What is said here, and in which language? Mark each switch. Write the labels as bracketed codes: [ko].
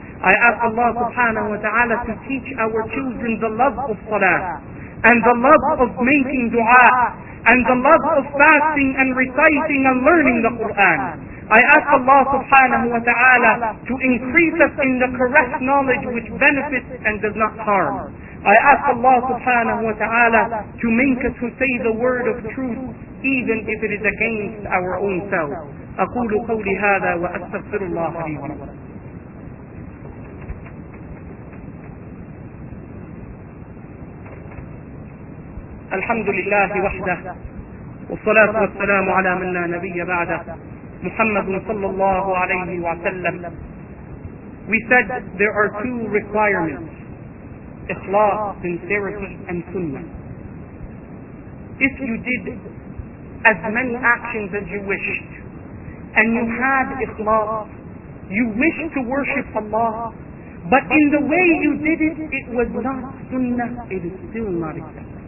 [en] I ask Allah subhanahu wa ta'ala to teach our children the love of salah, and the love of making dua, and the love of fasting and reciting and learning the Qur'an. I ask Allah subhanahu wa ta'ala to increase us in the correct knowledge which benefits and does not harm. I ask Allah subhanahu wa ta'ala to make us to say the word of truth, even if it is against our own selves. [ar] أقول قولي هذا وأستغفر الله لي ولكم. الحمد لله وحده والصلاة والسلام على من لا نبي بعده محمد صلى الله عليه وسلم. [en] We said there are two requirements, ikhlas, sincerity and sunnah. If you did as many actions as you wished and you had ikhlas, you wished to worship Allah, but in the way you did it, it was not sunnah, it is still not ikhlas.